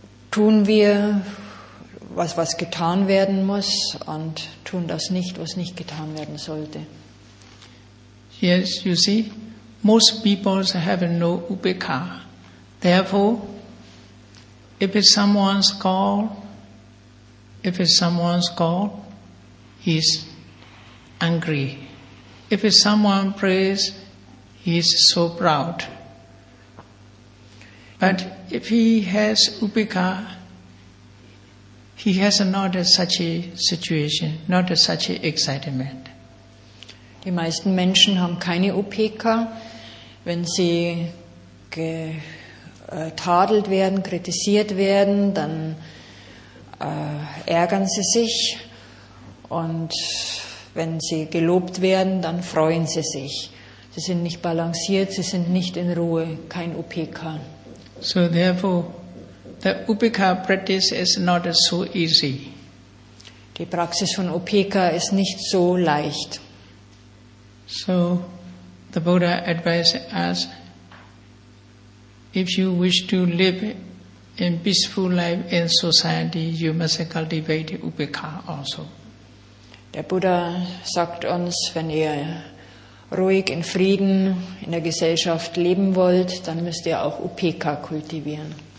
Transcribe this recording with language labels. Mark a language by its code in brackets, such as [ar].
[de] tun wir, was getan werden muss, und tun das nicht, was nicht getan werden sollte. [en] Yes, you see, most people have no upekkha. Therefore, if it's someone's call, he's angry. If it's someone prays, he's so proud. But if he has upekkha, he has not such a situation, not such an excitement. [de] Die meisten Menschen haben keine Upekkha, wenn sie getadelt werden, kritisiert werden, dann ärgern sie sich, und wenn sie gelobt werden, dann freuen sie sich. Sie sind nicht balanciert, sie sind nicht in Ruhe, kein Upekkha. [en] So therefore, the Upekkha practice is not so easy. [de] Die Praxis von Upekkha ist nicht so leicht. [en] So the Buddha advised us, if you wish to live in peaceful life in society, you must cultivate Upekkha also. [de] Der Buddha sagt uns, wenn ihr ruhig in Frieden in der Gesellschaft leben wollt, dann müsst ihr auch Upekkha kultivieren.